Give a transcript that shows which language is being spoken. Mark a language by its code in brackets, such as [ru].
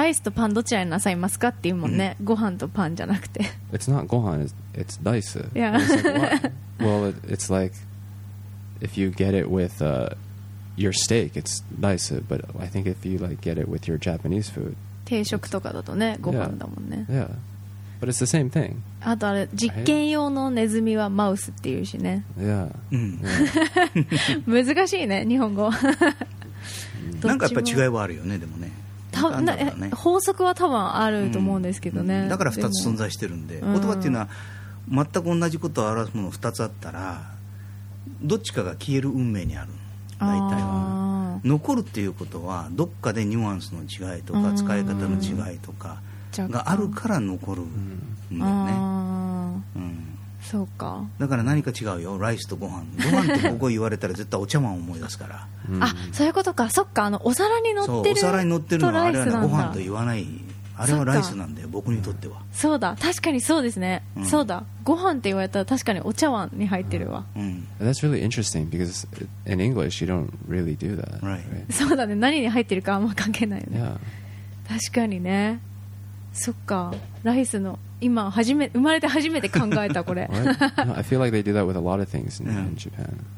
[ja] ライスとパンどちらになさいますかっていうもんね。ご飯とパンじゃなくて。 [en] It's not gohan, it's daisu. Yeah. It's like, well, it's like if you get it with your steak, it's daisu. But I think if you like get it with your Japanese food, [ja] 定食とかだとね、ご飯だもんね。 [en] Yeah. But it's the same thing. [ja] あとあれ、実験用のネズミはマウスっていうしね。 [en] Yeah. [ja] Yeah. 難しいね、日本語。なんかやっぱり違いはあるよね、でもね。法則は多分あると思うんですけどね。だから2つ存在してるんで、言葉っていうのは全く同じことを表すもの2つあったら、どっちかが消える運命にある。大体は残るっていうことはどっかでニュアンスの違いとか使い方の違いとかがあるから残るんだよね。そうか。だから何か違うよ、ライスとご飯。ご飯ってここ言われたら絶対お茶碗を思い出すから。あ、そういうことか。そっか、あのお皿に乗ってる。そう、お皿に乗ってるのはあれはね、ご飯と言わない。あれはライスなんだよ、僕にとっては。そうだ、確かにそうですね。そうだ、ご飯って言われたら確かにお茶碗に入ってるわ。 [en] That's really interesting because in English you don't really do that. Right. Right. [ja] そうだね、何に入ってるかあんま関係ないよね。 [en] Yeah. [ja] 確かにね。そっか、ライスの今初め生まれて初めて考えたこれ。 [en] No, I feel like they do that with a lot of things in Japan.